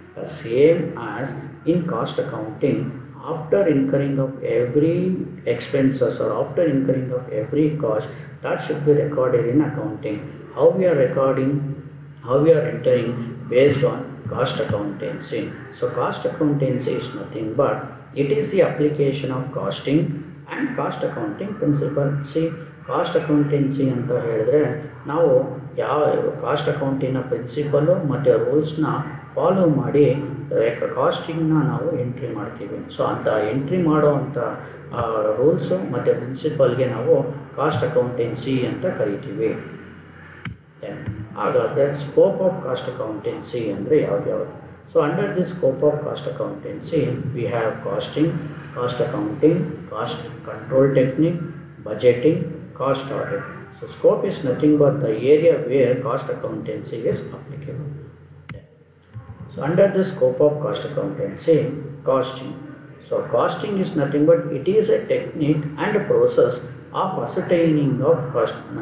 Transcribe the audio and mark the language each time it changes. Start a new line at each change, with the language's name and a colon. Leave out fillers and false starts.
English: The same as in cost accounting, after incurring of every expenses or after incurring of every cost, that should be recorded in accounting. How we are recording, how we are entering, based on cost accountancy. So cost accountancy is nothing but it is the application of costing and cost accounting principle.
Kannada: See, cost accountancy ಅಂತ ಹೇಳಿದ್ರೆ ನಾವು ಯಾವ cost ಅಕೌಂಟಿನ principal ಮತ್ತು ರೂಲ್ಸ್ನ follow ಮಾಡಿ ಕಾಸ್ಟಿಂಗ್ನ ನಾವು entry ಮಾಡ್ತೀವಿ. So ಅಂತ ಎಂಟ್ರಿ ಮಾಡೋ ಅಂಥ ರೂಲ್ಸು ಮತ್ತು ಪ್ರಿನ್ಸಿಪಲ್ಗೆ ನಾವು ಕಾಸ್ಟ್ ಅಕೌಂಟೆನ್ಸಿ ಅಂತ ಕರಿತೀವಿ. ಹಾಗಾದರೆ ಸ್ಕೋಪ್ ಆಫ್ ಕಾಸ್ಟ್ ಅಕೌಂಟೆನ್ಸಿ ಅಂದರೆ ಯಾವ್ದು?
English: So under the scope of cost accountancy we have costing, cost accounting, cost control technique, budgeting, cost audit. So scope is nothing but the area where cost accountancy is applicable. So under the scope of cost accountancy, costing. So costing is nothing but it is a technique and a process of ascertaining of cost.